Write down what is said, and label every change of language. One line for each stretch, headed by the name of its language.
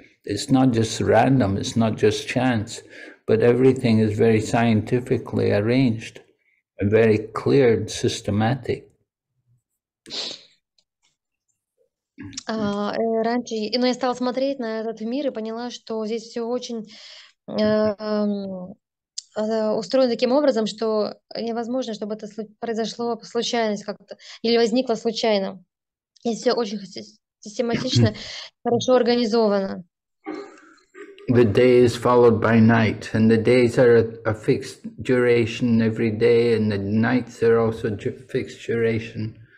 English: It's not just random, it's not just chance, but everything is very scientifically arranged, and very clear and systematic.
Russian: Раньше, но я стала смотреть на этот мир и поняла, что здесь все очень устроено таким образом, что невозможно, чтобы это произошло по случайности как-то, или возникло случайно. Здесь все очень систематично, хорошо организовано.
English: The day is followed by night, and the days are a fixed duration every day, and the nights are also fixed duration.